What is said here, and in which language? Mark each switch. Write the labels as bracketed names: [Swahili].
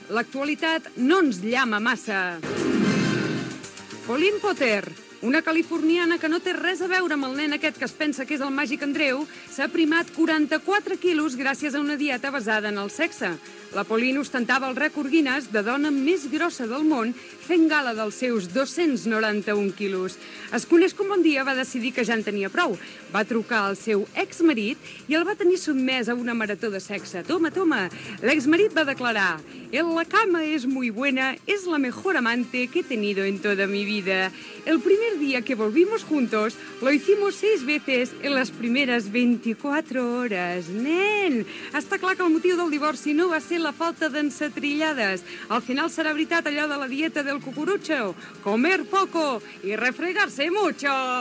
[Catalan] L'actualitat no ens llama massa. Pauline Potter, una californiana que no té res a veure amb el nen aquest que es pensa que és el màgic Andreu, s'ha primat 44 quilos gràcies a una dieta basada en el sexe. La Pauline ostentava el rècord Guinness de dona més grossa del món, fent gala dels seus 291 quilos. Es coneix com un dia va decidir que ja en tenia prou. Va trucar al seu exmarit i el va tenir sotmès a una marató de sexe. [Spanish] Toma, toma! L'exmarit va declarar: "En la cama es muy buena, es la mejor amante que he tenido en toda mi vida. El primer día que volvimos juntos, lo hicimos 6 veces en las primeras 24 horas. [Catalan] Nen, està clar que el motiu del divorci no va ser la falta d'encetrillades. Al final serà veritat allò de la dieta del cucurutxo. [Spanish] Comer poco y refregarse mucho."